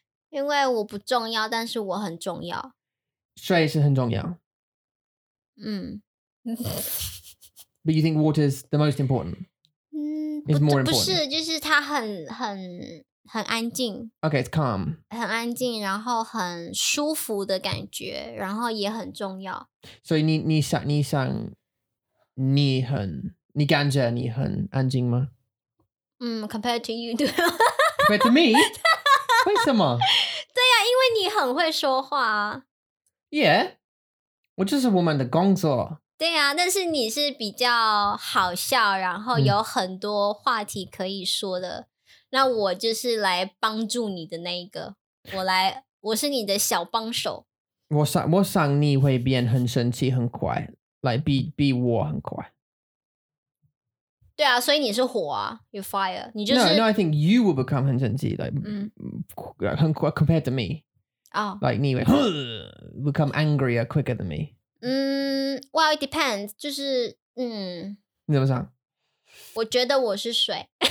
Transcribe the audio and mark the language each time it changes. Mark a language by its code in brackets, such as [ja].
[zh] 因为我不重要，但是我很重要。水是很重要。 [en] But you think water is the most important? [zh] 不是，就是它很安静。 [en] Okay, it's calm. [zh] 很安静，然后很舒服的感觉，然后也很重要。所以你想，你感觉你很安静吗？ [en] Compared to you, compared to me, 为什么？ [zh] 对呀，因为你很会说话。 Yeah, 我就是我们的工作。对啊，但是你是比较好笑，然后有很多话题可以说的。那我就是来帮助你的那一个，我是你的小帮手。我想你会变很生气很快，来比我很快。对啊，所以你是火啊 ， [en] you fire， [zh] 你就是。 [en] No, I think you will become [zh] 很生气 [en] like [zh] 很快 [en] compared to me. Oh, like [zh] 你会 [en] become angrier quicker than me. Well, it depends. 就是 [zh] 你怎么想？我觉得我是水。